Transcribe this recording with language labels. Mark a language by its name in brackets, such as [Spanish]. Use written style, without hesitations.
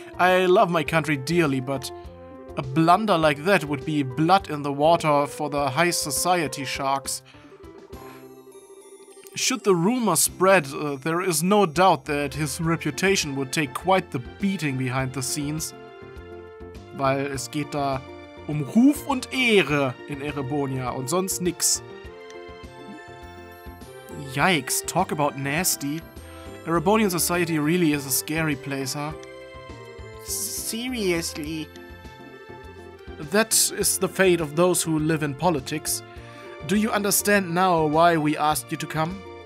[English] I love my country dearly, but a blunder like that would be blood in the water for the high society sharks. Should the rumor spread, there is no doubt that his reputation would take quite the beating behind the scenes. [German] Weil es geht da um Ruf und Ehre in Erebonia und sonst nix. [English] Yikes, talk about nasty. Erebonian society really is a scary place, huh? Seriously? That is the fate of those who live in politics. Do you understand now why we asked you to come?